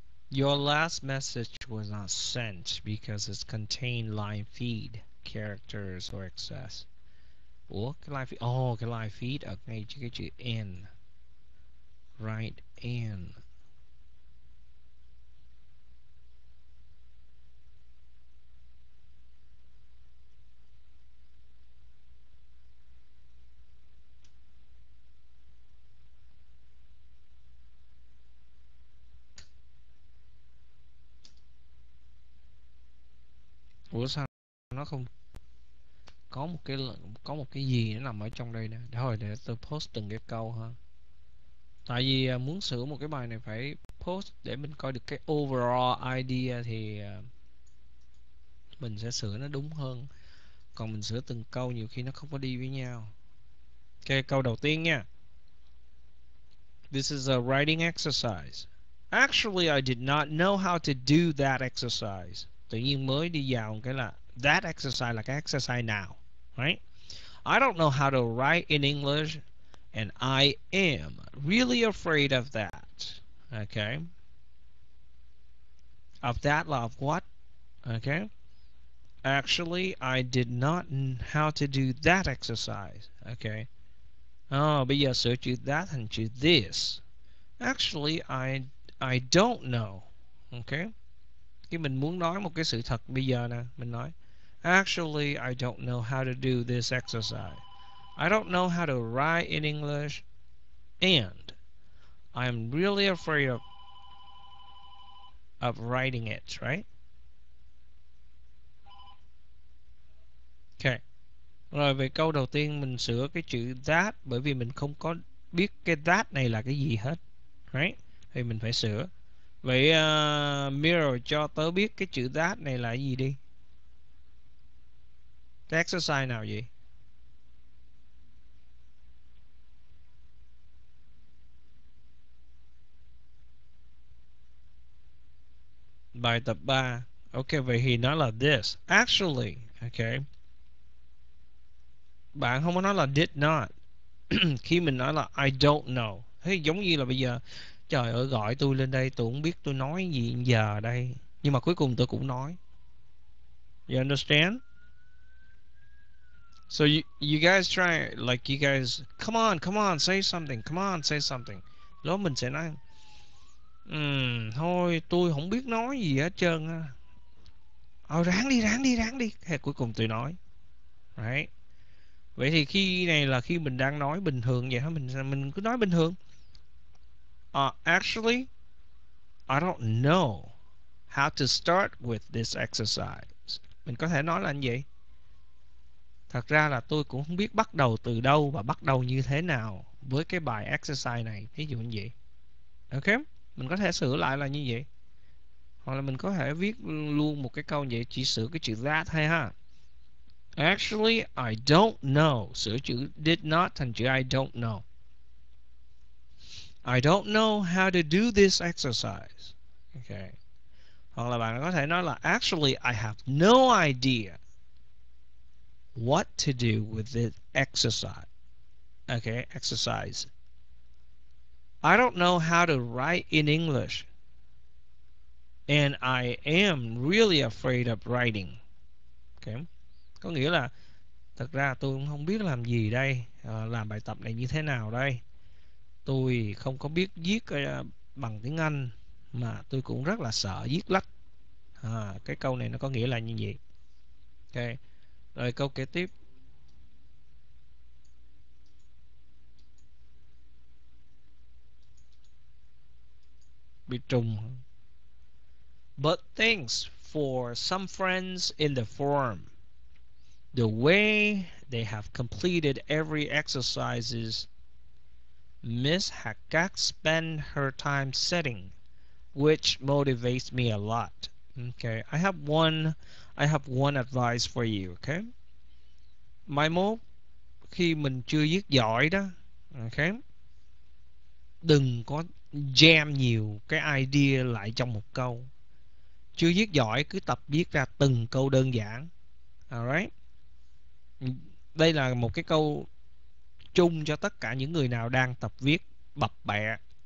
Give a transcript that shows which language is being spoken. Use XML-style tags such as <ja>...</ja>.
<en>Your last message was not sent because it's contained line feed characters or excess.</en> <vi>Ủa, cái line feed, oh, cái line feed ở ngay cái chữ n.</vi> <en>Right n.</en> <vi>Ủa sao nó không có một cái, có một cái gì nó nằm ở trong đây nè. Thôi để tôi post từng cái câu ha. Tại vì muốn sửa một cái bài này phải post để mình coi được cái overall idea thì mình sẽ sửa nó đúng hơn. Còn mình sửa từng câu nhiều khi nó không có đi với nhau. Ok, câu đầu tiên nha.</vi> <en>This is a writing exercise. Actually, I did not know how to do that exercise.</en> <vi>Tự nhiên mới đi vào cái là that exercise là cái exercise nào, right?</vi> <en>I don't know how to write in English and I am really afraid of that. Okay. Of that là of what? Okay. Actually, I did not know how to do that exercise. Okay.</en> <vi>Oh, bây giờ sửa chữ that thành chữ this.</vi> <en>Actually, I don't know. Okay.</en> <vi>Khi mình muốn nói một cái sự thật bây giờ nè, mình nói</vi> <en>actually I don't know how to do this exercise. I don't know how to write in English and I'm really afraid of writing it, right? Okay.</en> <vi>Rồi về câu đầu tiên mình sửa cái chữ that bởi vì mình không có biết cái that này là cái gì hết, right? Thì mình phải sửa. Vậy Mirror cho tớ biết cái chữ that này là gì đi. Cái exercise nào vậy? Bài tập 3. Ok, vậy thì nó là this. Actually, ok. Bạn không có nói là did not. Khi mình nói là</vi> <en>I don't know.</en> <vi>Thế giống như là bây giờ, trời ơi gọi tôi lên đây tôi không biết tôi nói gì giờ đây, nhưng mà cuối cùng tôi cũng nói.</vi> <en>You understand? So you guys try, like you guys come on say something, come on say something.</en> <vi>Đó mình sẽ nói thôi tôi không biết nói gì hết trơn á. Oh, ráng đi ráng đi ráng đi. Thế cuối cùng tôi nói. Right. Vậy thì khi này là khi mình đang nói bình thường vậy hả? Mình cứ nói bình thường.</vi> <en>Actually, I don't know how to start with this exercise.</en> <vi>Mình có thể nói là như vậy. Thật ra là tôi cũng không biết bắt đầu từ đâu và bắt đầu như thế nào với cái bài exercise này. Ví dụ như vậy. Ok, mình có thể sửa lại là như vậy. Hoặc là mình có thể viết luôn một cái câu như vậy, chỉ sửa cái chữ that thôi ha.</vi> <en>Actually, I don't know.</en> <vi>Sửa chữ did not thành chữ I don't know.</vi> <en>I don't know how to do this exercise. Okay.</en> <vi>Hoặc là bạn có thể nói là</vi> <en>actually I have no idea what to do with this exercise. Okay, exercise. I don't know how to write in English. And I am really afraid of writing. Okay.</en> <vi>Có nghĩa là thật ra tôi cũng không biết làm gì đây, làm bài tập này như thế nào đây. Tôi không có biết viết bằng tiếng Anh mà tôi cũng rất là sợ viết lách. Cái câu này nó có nghĩa là như vậy. Ok. Rồi câu kế tiếp. Bị trùng.</vi> <en>But thanks for some friends in the forum. The way they have completed every exercises Miss Hakak spend her time setting, which motivates me a lot. Okay, I have one advice for you. Okay, my mom,</en> <vi>khi mình chưa viết giỏi đó, ok, đừng có jam nhiều cái idea lại trong một câu. Chưa viết giỏi cứ tập viết ra từng câu đơn giản. Alright, đây là một cái câu chung cho tất cả những người nào đang tập viết bập bẹ.</vi>